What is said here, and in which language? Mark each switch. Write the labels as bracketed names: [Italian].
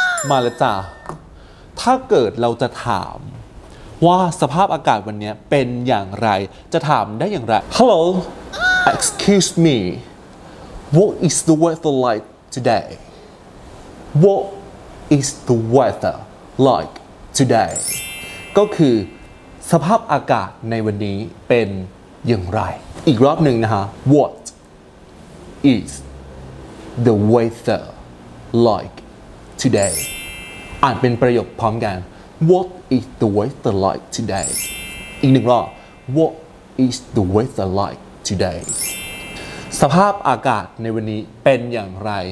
[Thai] มาแล้วจ้ะถ้าเกิดเราจะถามว่าสภาพอากาศวันนี้เป็นอย่างไรจะถามได้อย่างไร [English] Hello Excuse me What is the weather like today? What is the weather like today? [Thai] ก็คือสภาพอากาศในวันนี้เป็นอย่างไรอีกรอบหนึ่งนะฮะ [English] What is the weather like today? [Thai] อ่านเป็นประโยคพร้อมกัน [English] What is the weather like today? [Thai] อีกหนึ่งรอบ [English] What is the weather like today? [Thai] สภาพอากาศในวันนี้เป็นอย่างไร